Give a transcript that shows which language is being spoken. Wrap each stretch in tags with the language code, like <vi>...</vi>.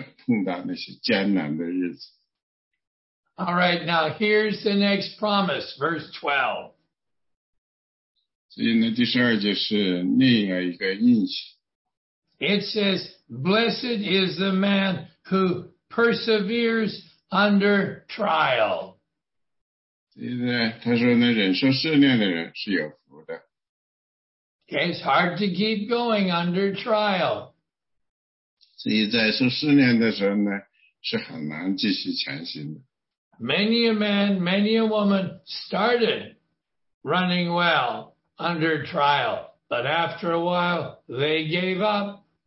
<zh>所以呢，我们每个人都要意识到呢，我们跟神求智慧，神就给我们智慧，我们就转向神，因为迟迟早早，我们都要碰到那些艰难的日子。</zh> <en>All right, now here's the next promise, verse 12.</en> <zh>所以呢，第十二就是另一个应许。</zh> <en>It says, blessed is the man who perseveres under trial.</en> <zh>所以呢，他说呢，忍受试炼的人是有福的。</zh> <en>It's hard to keep going under trial.</en> <zh>所以在受试炼的时候呢，是很难继续前行的。</zh> <en>Many a man, many a woman started running well under trial, but after a while, they gave up.</en>